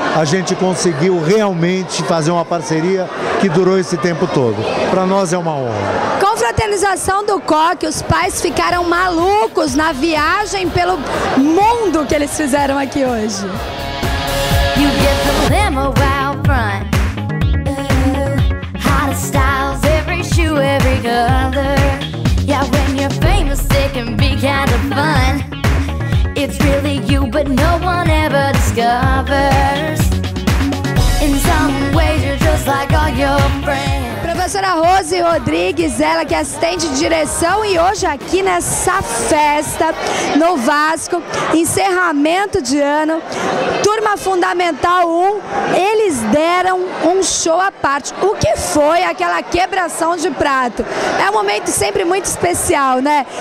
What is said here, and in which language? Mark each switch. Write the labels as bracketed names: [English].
[Portuguese] A gente conseguiu realmente fazer uma parceria que durou esse tempo todo. Para nós é uma honra. Confraternização do COC, os pais ficaram malucos na viagem pelo mundo que eles fizeram aqui hoje. [English] You get the limo out front. Hottest styles, every shoe, every color. Yeah, when you're famous, it can be kind of fun. It's really you, but no one ever discovers. In some ways, you're just like all your friends. [Portuguese] professora Rose Rodrigues, ela que é assistente de direção, e hoje aqui nessa festa no Vasco, encerramento de ano, turma fundamental 1, eles deram um show à parte. O que foi aquela quebração de prato? É um momento sempre muito especial, né?